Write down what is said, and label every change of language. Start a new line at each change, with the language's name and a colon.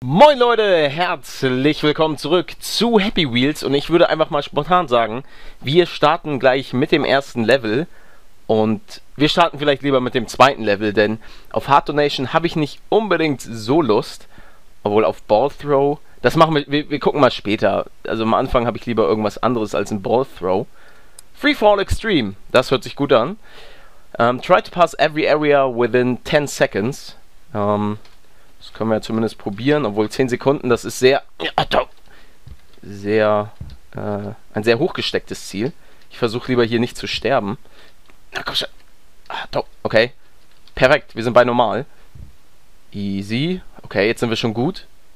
German: Moin Leute, herzlich willkommen zurück zu Happy Wheels und ich würde einfach mal spontan sagen, wir starten gleich mit dem ersten Level und wir starten vielleicht lieber mit dem zweiten Level, denn auf Hard Donation habe ich nicht unbedingt so Lust, obwohl auf Ball Throw, das machen wir, wir gucken mal später, also am Anfang habe ich lieber irgendwas anderes als ein Ball Throw. Freefall Extreme, das hört sich gut an.
English: Try to pass every area within 10 seconds.
German: Das können wir ja zumindest probieren, obwohl 10 Sekunden, das ist ein sehr hochgestecktes Ziel. Ich versuche lieber hier nicht zu sterben. Na komm schon. Okay. Perfekt, wir sind bei normal. Easy. Okay, jetzt sind wir schon gut.